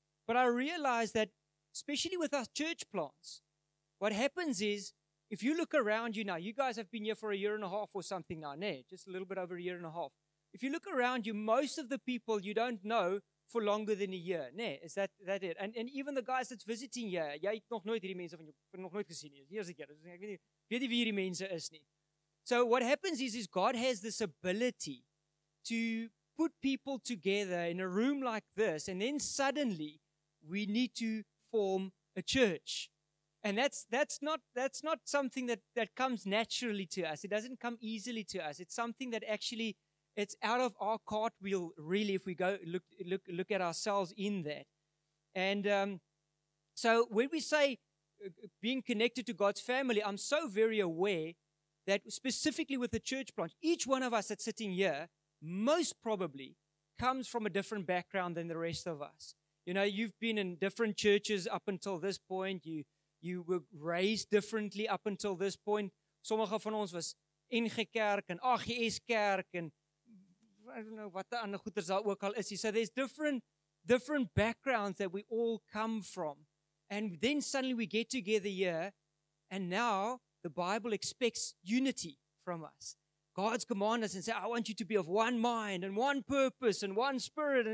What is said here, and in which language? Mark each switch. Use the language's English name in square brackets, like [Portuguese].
[English] But I realize that, especially with our church plants, what happens is, if you look around you now, you guys have been here for a year and a half or something now, just a little bit over a year and a half. If you look around you, most of the people you don't know for longer than a year, is that it? And even the guys that's visiting here, [Afrikaans] jy het nog nooit hierdie mense van jou nog nooit gesien nie. Hier is dit. Ek weet nie wie hierdie mense is nie. [English] So what happens is God has this ability to put people together in a room like this, and then suddenly we need to form a church. And that's not something that comes naturally to us. It doesn't come easily to us. It's something that actually, it's out of our cartwheel, really, if we go look at ourselves in that. And so when we say being connected to God's family, I'm so very aware that specifically with the church plant, each one of us that's sitting here, most probably comes from a different background than the rest of us. You know, you've been in different churches up until this point. You were raised differently up until this point. [Afrikaans] Sommige van ons was ingekerk en AGS kerk en [English] I don't know [Afrikaans] wat de ander goeders daar ook al is. [English] So there's different backgrounds that we all come from. And then suddenly we get together here, and now the Bible expects unity from us. God's command us and say, I want you to be of one mind and one purpose and one spirit.